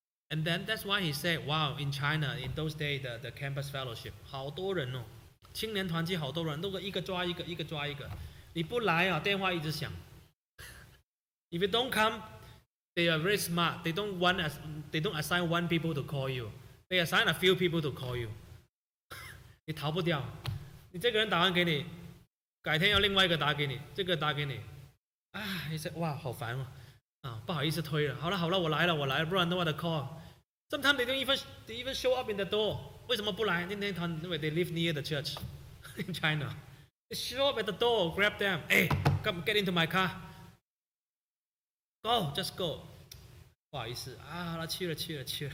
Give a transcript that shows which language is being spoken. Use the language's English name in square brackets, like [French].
[English] And then that's why he said, wow, in China, in those days, the campus fellowship, [Chinese] 好多人哦, 青年团契好多人, 都一个抓一个。你不来啊, 电话一直响。 [English] If you don't come, they are very smart. They don't assign one people to call you. They assign a few people to call you. [Chinese] 你逃不掉。你这个人打完给你, 改天要另外一个打给你, 这个打给你。 [English] He said, [Chinese] 哇,好烦哦。不好意思推了。好了,我来了。不然 [English] no other call. Sometimes they even show up in the door. [Chinese] 为什么不来? [English] They live near the church in China. They show up at the door, grab them. Hey, come get into my car. Go, just go. [Chinese] 不好意思, 去了。